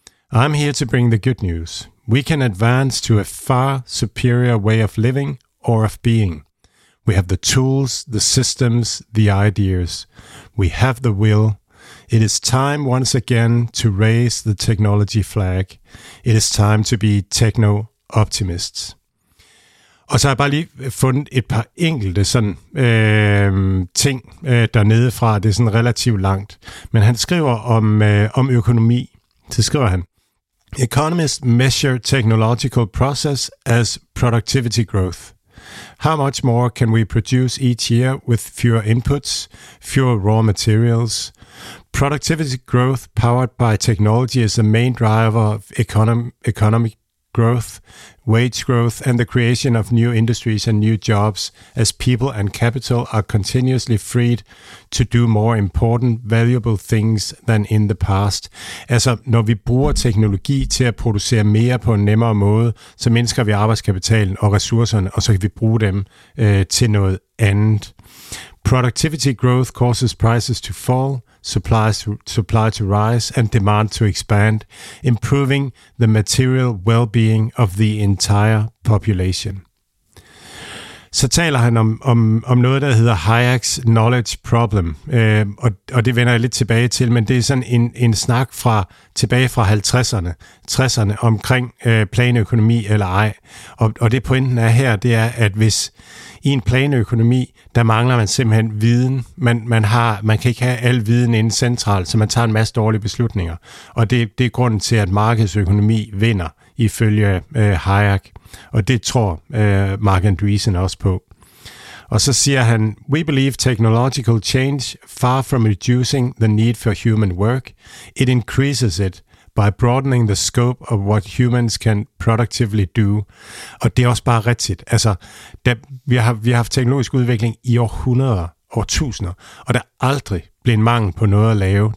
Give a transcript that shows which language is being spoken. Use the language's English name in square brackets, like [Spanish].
[English] I'm here to bring the good news. We can advance to a far superior way of living or of being. We have the tools, the systems, the ideas. We have the will. It is time once again to raise the technology flag. It is time to be techno-optimists." [Danish] Og så har jeg bare lige fundet et par enkelte sådan ting dernede fra. Det er sådan relativt langt. Men han skriver om økonomi. Så skriver han: [English] "Economists measure technological process as productivity growth. How much more can we produce each year with fewer inputs, fewer raw materials? Productivity growth powered by technology is the main driver of economic growth, wage growth, and the creation of new industries and new jobs as people and capital are continuously freed to do more important, valuable things than in the past." [Danish] Altså, når vi bruger teknologi til at producere mere på en nemmere måde, så mindsker vi arbejdskapitalen og ressourcerne, og så kan vi bruge dem til noget andet. [English] "Productivity growth causes prices to fall, supply to rise, and demand to expand, improving the material well-being of the entire population." [Danish] Så taler han om noget, der hedder Hayek's knowledge problem, og det vender jeg lidt tilbage til, men det er sådan en snak tilbage fra 50'erne omkring planøkonomi eller ej, og det pointen er her, det er, at hvis i en planøkonomi, der mangler man simpelthen viden. Man kan ikke have al viden inde centralt, så man tager en masse dårlige beslutninger. Og det er grunden til, at markedsøkonomi vinder ifølge Hayek. Og det tror Marc Andreessen også på. Og så siger han: [English] "We believe technological change, far from reducing the need for human work, it increases it by broadening the scope of what humans can productively do." [Danish] Og det er også bare rigtigt. Altså, vi har haft teknologisk udvikling i århundreder, årtusinder, og der er aldrig blevet mangel på noget at lave.